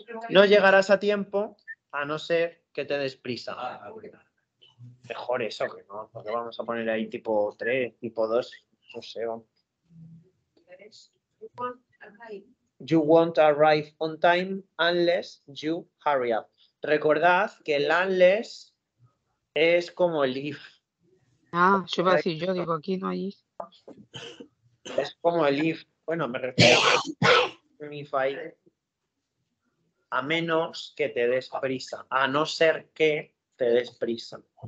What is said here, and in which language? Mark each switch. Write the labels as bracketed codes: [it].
[es] No llegarás a tiempo a no ser que te des prisa. Mejor eso que no, porque vamos a poner ahí tipo 3, tipo 2, no sé. [en] You won't arrive on time unless you hurry up. [es] Recordad que el unless es como el if. Ah, yo iba a decir yo, digo aquí no hay if. Es como el if. Bueno, me refiero a mi fail. A menos que te des prisa. A no ser que te des prisa.